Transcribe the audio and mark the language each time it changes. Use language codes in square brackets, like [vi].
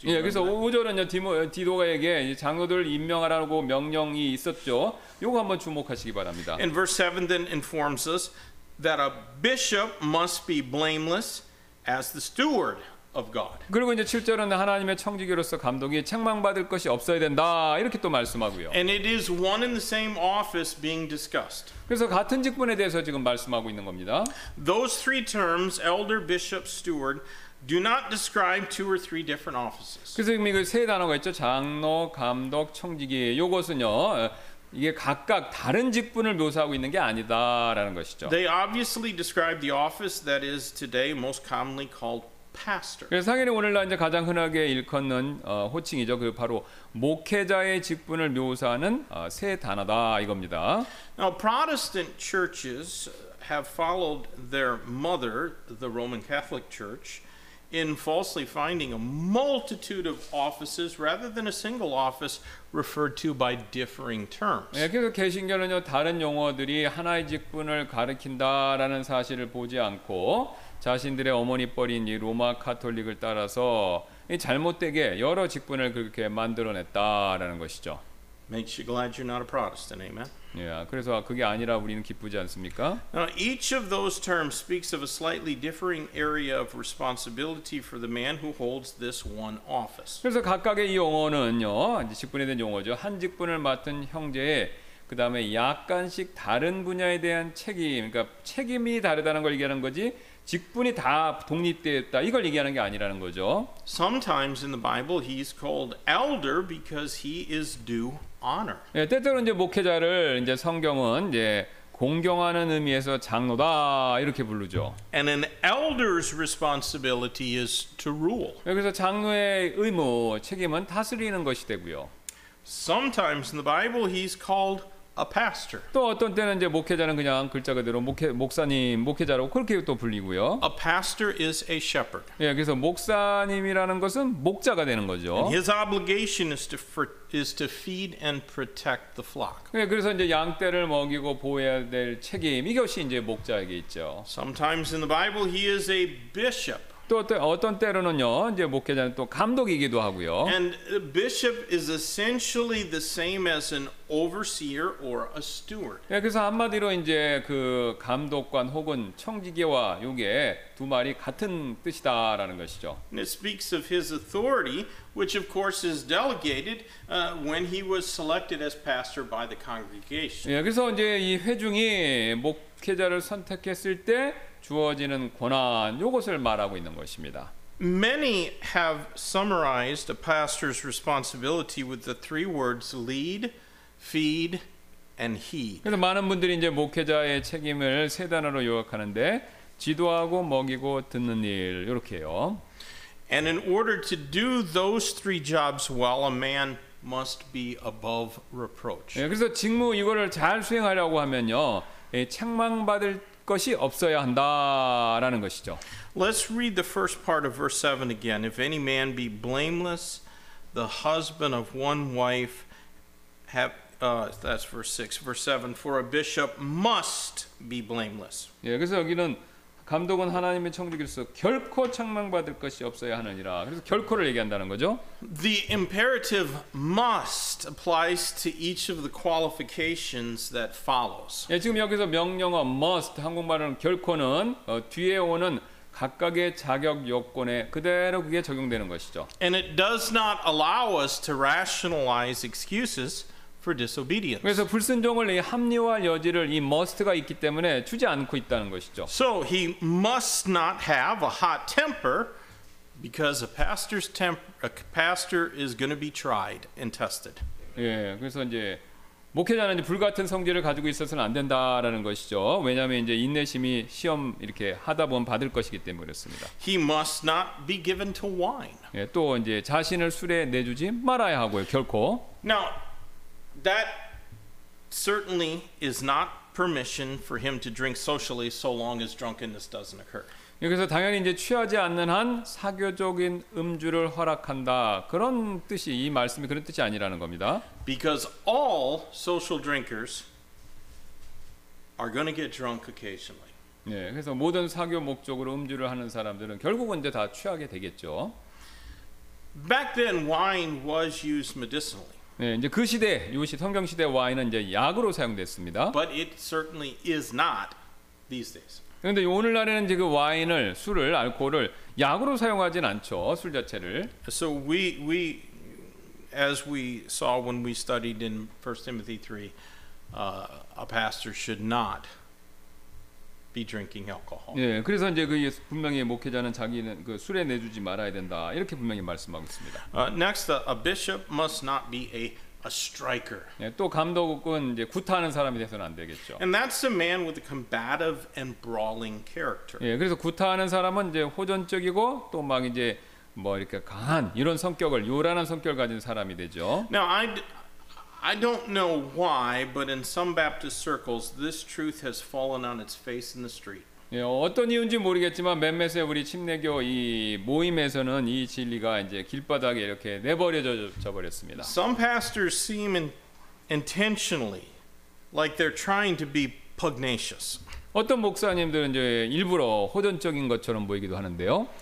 [ko] 예, 그래서 5절은요, 디도에게 장로들을 임명하라고 명령이 있었죠. 요거 한번 주목하시기 바랍니다. [en] And verse 7 then informs us that a bishop must be blameless as the steward of God. [ko] 그리고 이제 7절은 하나님의 청지기로서 감동이 책망받을 것이 없어야 된다 이렇게 또 말씀하고요. [en] And it is one and the same office being discussed. [ko] 그래서 같은 직분에 대해서 지금 말씀하고 있는 겁니다. [en] Those three terms, elder, bishop, steward, do not describe two or three different offices. [ko] 그래서 이미 그 세 단어가 있죠. 장로, 감독, 청지기. 이것은요. 이게 각각 다른 직분을 묘사하고 있는 게 아니다라는 것이죠. [en] They obviously describe the office that is today most commonly called pastor. [ko] 그래서 당연히 오늘날 이제 가장 흔하게 일컫는 호칭이죠. 그 바로 목회자의 직분을 묘사하는 세 단어다 이겁니다. [en] Now Protestant churches have followed their mother, the Roman Catholic Church, in falsely finding a multitude of offices rather than a single office referred to by differing terms. [ko] 예, 그래서 개신교는요 다른 용어들이 하나의 직분을 가리킨다라는 사실을 보지 않고 자신들의 어머니뻘인 이 로마 가톨릭을 따라서 잘못되게 여러 직분을 그렇게 만들어냈다라는 것이죠. [en] Makes you glad you're not a Protestant, amen. [ko] 예, 그래서 그게 아니라 우리는 기쁘지 않습니까? [en] Now, each of those terms speaks of a slightly differing area of responsibility for the man who holds this one office. [ko] 그래서 각각의 이 용어는요, 직분에 대한 용어죠. 한 직분을 맡은 형제의 그 다음에 약간씩 다른 분야에 대한 책임, 그러니까 책임이 다르다는 걸 얘기하는 거지. 직분이 다 독립되었다 이걸 얘기하는 게 아니라는 거죠. [en] Sometimes in the Bible he's called elder because he is due honor. [ko] 예, 때때로 이제 목회자를 이제 성경은 이제 공경하는 의미에서 장로다 이렇게 부르죠. [en] And an elder's responsibility is to rule. [ko] 여기서 장로의 의무, 책임은 다스리는 것이 되고요. [en] Sometimes in the Bible he's called a pastor. [ko] 또 어떤 때는 이제 목회자는 그냥 글자 그대로 목사님, 목회자라고 그렇게 또 불리고요. [en] A pastor is a shepherd. [ko] 예, 그래서 목사님이라는 것은 목자가 되는 거죠. [en] And his obligation is to feed and protect the flock. [ko] 예, 그래서 이제 양떼를 먹이고 보호해야 될 책임 이것이 이제 목자에게 있죠. [en] Sometimes in the Bible he is a bishop. [ko] 또 어떤 때로는요, 이제 목회자는 또 감독이기도 하고요. [en] And a bishop is essentially the same as an overseer or a steward. [ko] 예, 그래서 한마디로 이제 그 감독관 혹은 청지기와 요게 두 말이 같은 뜻이다라는 것이죠. [en] And it speaks of his authority, which of course is delegated when he was selected as pastor by the congregation. [ko] 예, 그래서 이제 이 회중이 목회자를 선택했을 때 주어지는 권한 이것을 말하고 있는 것입니다. [en] Many have summarized a pastor's responsibility with the three words lead, feed, and heed. [ko] 그래서 많은 분들이 이제 목회자의 책임을 세 단어로 요약하는데 지도하고 먹이고 듣는 일 이렇게요. [en] And in order to do those three jobs well, a man must be above reproach. [ko] 예, 그래서 직무 이거를 잘 수행하려고 하면요, 예, 책망받을 것이 없어야 한다라는 것이죠. [en] Let's read the first part of verse 7 again. If any man be blameless, the husband of one wife, that's verse 6. Verse 7, for a bishop must be blameless. [ko] 예, 그래서 여기는 감독은 하나님의 청지기로서 결코 책망받을 것이 없어야 하느니라. 그래서 결코를 얘기한다는 거죠. [en] The imperative must applies to each of the qualifications that follows. [ko] 예, 지금 여기서 명령어 must, 한국말은 결코는 뒤에 오는 각각의 자격 요건에 그대로 그게 적용되는 것이죠. [en] And it does not allow us to rationalize excuses for disobedience. [ko] 그래서 불순종을 이 합리화할 여지를 이 must가 있기 때문에 주지 않고 있다는 것이죠. [en] So he must not have a hot temper because a pastor is going to be tried and tested. [ko] 예, 그래서 이제 목회자는 이제 불같은 성질을 가지고 있어서는 안 된다라는 것이죠. 왜냐하면 이제 인내심이 시험 이렇게 하다 보면 받을 것이기 때문에 그렇습니다. [en] He must not be given to wine. [ko] 예, 또 이제 자신을 술에 내주지 말아야 하고요. 결코. [en] Now that certainly is not permission for him to drink socially so long as drunkenness doesn't occur. [ko] 그래서 당연히 이제 취하지 않는 한 사교적인 음주를 허락한다. 그런 뜻이 이 말씀이 그런 뜻이 아니라는 겁니다. [en] Because all social drinkers are going to get drunk occasionally. [ko] 예, 그래서 모든 사교 목적으로 음주를 하는 사람들은 결국은 이제 다 취하게 되겠죠. [en] Back then wine was used medicinally. [ko] 네, 이제 그 시대, 요시 성경 시대 와인은 이제 약으로 사용됐습니다. [en] But it certainly is not these days. [ko] 그런데 오늘날에는 지금 와인을 술을 알코올을 약으로 사용하진 않죠. 술 자체를. [en] So we as we saw when we studied in 1 Timothy 3 a pastor should not be drinking alcohol. [ko] 예, 그래서 이제 그 분명히 목회자는 자기는 그 술에 내주지 말아야 된다. 이렇게 분명히 말씀하고 있습니다. [en] Next a bishop must not be a striker. [ko] 예, 또 감독은 이제 구타하는 사람이 돼서는 안 되겠죠. [en] And that's a man with a combative and brawling character. [ko] 예, 그래서 구타하는 사람은 이제 호전적이고 또 막 이제 뭐 이렇게 강한 이런 성격을 요란한 성격을 가진 사람이 되죠. [en] Now I don't know why, but in some Baptist circles, this truth has fallen on its face in the street. [ko] 예, 어떤 이유인지 모르겠지만 몇몇의 우리 침례교 이 모임에서는 이 진리가 이제 길바닥에 이렇게 내버려져 버렸습니다. [en] Some pastors seem intentionally like they're trying to be pugnacious. [ko] 어떤 목사님들은 이제 일부러 호전적인 것처럼 보이기도 하는데요.